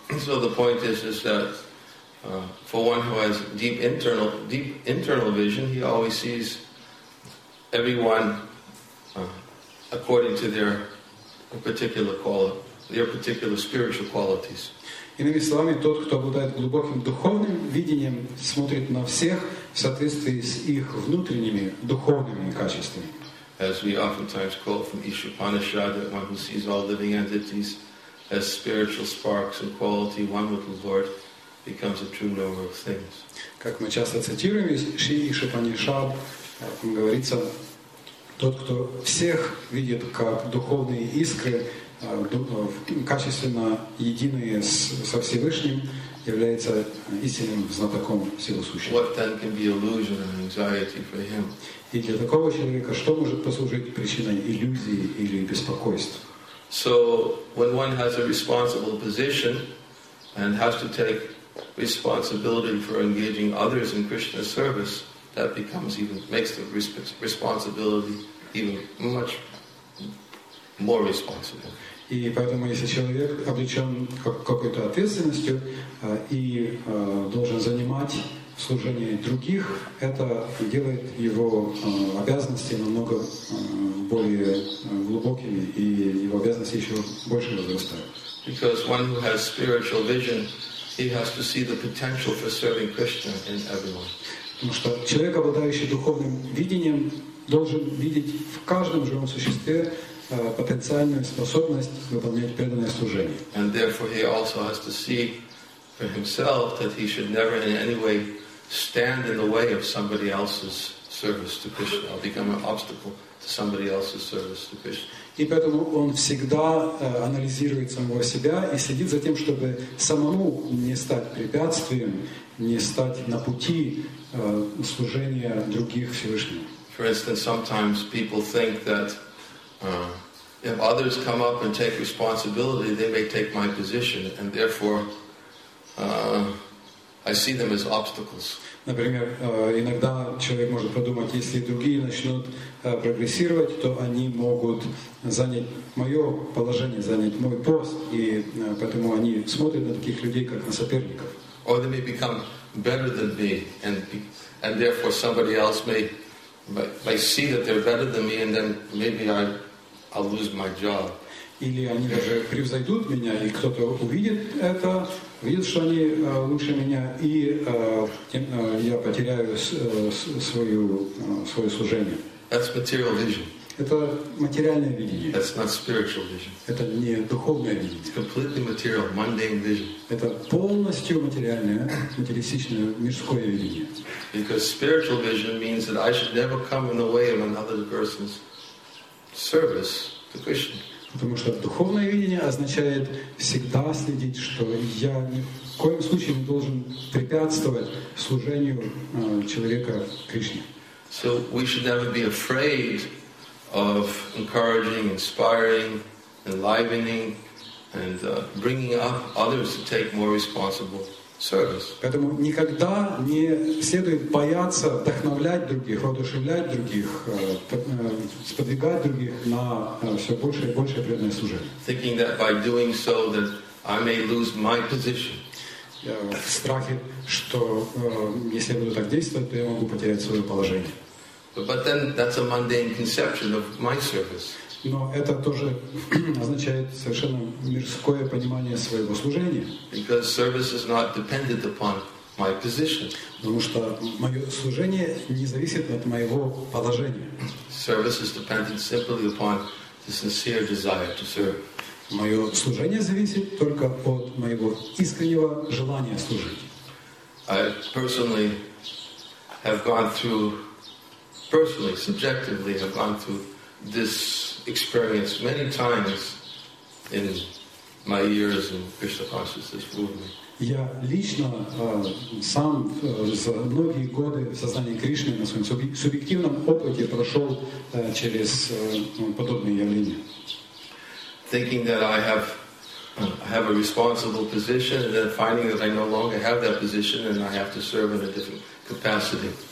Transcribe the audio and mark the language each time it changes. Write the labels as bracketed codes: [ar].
[en] So the point is that for one who has deep internal vision, he always sees everyone according to their particular quality, their particular spiritual qualities. [ru] Иными словами, тот, кто обладает глубоким духовным видением, смотрит на всех в соответствии с их внутренними духовными качествами. [en] As we oftentimes quote from Ishvara, that one who sees all living entities as spiritual sparks and quality, one with the Lord, becomes a true knower of things. [ru] Как мы часто цитируем из Шри Ишупанишад, говорится, тот, кто всех видит как духовные искры, качественно единые со Всевышним, является истинным знатоком силы сущего. [en] What then can be illusion and anxiety for him? [ru] И для такого человека что может послужить причиной иллюзии или беспокойства? [en] So when one has a responsible position and has to take responsibility for engaging others in Krishna's service, that becomes even makes the responsibility even much more responsible. [ru] И поэтому, если человек облечен какой-то ответственностью и должен занимать в служении других, это делает его обязанности намного более глубокими, и его обязанности еще больше возрастают. [en] Because one who has spiritual vision, he has to see the potential for serving Krishna in everyone. [ru] Потому что человек, обладающий духовным видением, должен видеть в каждом живом существе потенциальную способность выполнять преданное служение. [en] And therefore he also has to see for himself that he should never in any way stand in the way of somebody else's service to Krishna, or become an obstacle to somebody else's service to Krishna. [ru] И поэтому он всегда анализирует самого себя и следит за тем, чтобы самому не стать препятствием, не стать на пути служения других Всевышним. [en] For instance, sometimes people think that if others come up and take responsibility, they may take my position, and therefore I see them as obstacles. [ru] Например, иногда человек может подумать, если другие начнут прогрессировать, то они могут занять мое положение, занять мой пост, и поэтому они смотрят на таких людей, как на соперников. [en] Or they may become better than me, and therefore somebody else may see that they're better than me, and then maybe I'll lose my job. [ru] Или они даже превзойдут меня, и кто-то увидит это, увидит, что они лучше меня, и я потеряю свое служение. [en] That's material vision. [ru] Это материальное видение. [en] That's not spiritual vision. [ru] Это не духовное видение. [en] It's completely material, mundane vision. [ru] Это полностью материальное, материалистичное, мирское видение. [en] Because spiritual vision means that I should never come in the way of another person's service to Krishna. [ru] Потому что духовное видение означает всегда следить, что я ни в коем случае не должен препятствовать служению человека Кришне. [en] So we should never be afraid of encouraging, inspiring, enlivening, and bringing up others to take more responsible service. [ru] Поэтому никогда не следует бояться вдохновлять других, воодушевлять других, сподвигать других на все большее и большее преданное служение. [en] Thinking that by doing so that I may lose my position. [ru] В страхе, что если я буду так действовать, то я могу потерять свое положение. [en] But then that's a mundane conception of my service. [ru] Но это тоже означает совершенно мирское понимание своего служения. [en] Because service is not dependent upon my position. [ru] Потому что мое служение не зависит от моего положения. [en] Service is dependent simply upon the sincere desire to serve. [ru] Мое служение зависит только от моего искреннего желания служить. [en] I personally have gone through, personally, subjectively, have gone through this experience many times in my years in Krishna consciousness movement. [ru] Я лично сам за многие годы в сознании Кришны на своем субъективном опыте прошел через подобные явления. [en] Thinking that I have a responsible position, and then finding that I no longer have that position, and I have to serve in a different capacity.